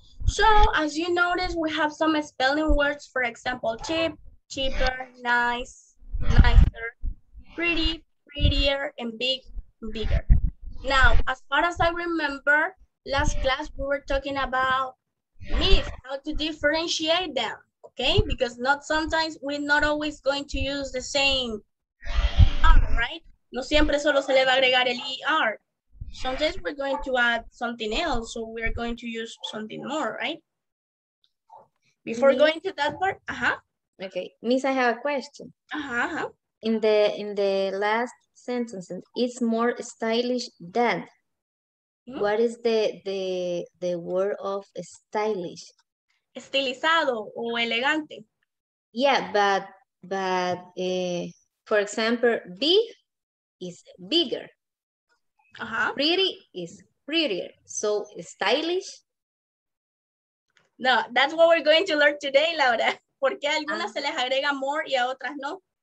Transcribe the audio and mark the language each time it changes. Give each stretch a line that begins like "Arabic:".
English: So, as you notice, we have some spelling words, for example, cheap, cheaper, nice, nicer, pretty, prettier, and big, bigger. Now, as far as I remember, last class we were talking about myths, how to differentiate them, okay? Because not sometimes we're not always going to use the same R, right?
Spanish: No siempre solo se le va a agregar el ER.
English: Sometimes we're going to add something else, so we're going to use something more, right? Before going to that part, Okay, Miss, I have a question. In the last sentence, it's more stylish than. What is the word of stylish?
Spanish: Estilizado o elegante.
English: Yeah, but for example, big is bigger. Pretty is prettier. So stylish. No, that's what we're going to learn today, Laura.
Spanish: Porque a algunas se les agrega more y a otras no.